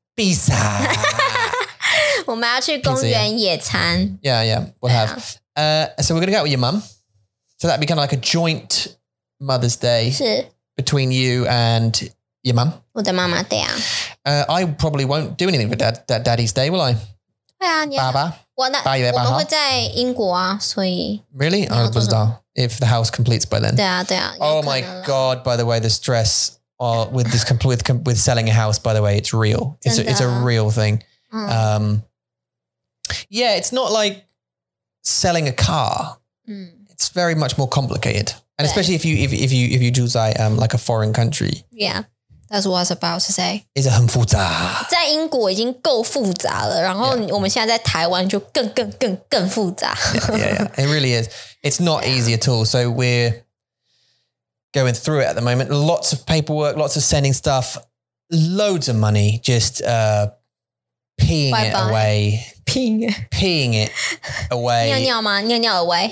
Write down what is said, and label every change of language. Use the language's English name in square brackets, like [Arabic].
[English] Pizza. [Chinese] 我们要去公园野餐. [English] Yeah, we'll have... Yeah. So we're going to go out with your mum. So that'd be kind of like a joint Mother's Day between you and your mum. [Chinese] 我的妈妈对啊。 [English] I probably won't do anything for Daddy's Day, will I? [Chinese] 对啊。爸爸。我们会在英国啊,所以... [English] Really? I don't know. If the house completes by then. [Chinese] 对啊。 [English] Oh my God, by the way, the stress with this with selling a house, by the way, it's real. It's a real thing. Yeah, it's not like... selling a car, it's very much more complicated. And especially if you do say like a foreign country. Yeah, that's what I was about to say. It's a [Chinese] 很复杂. 在英国已经够复杂了, 然后我们现在在台湾就更复杂. [English] Yeah, it really is. It's not easy at all. So we're going through it at the moment. Lots of paperwork, lots of sending stuff, loads of money, just peeing bye it bye. Away. Peeing it away. [Chinese] 尿尿吗?尿尿 [English] away.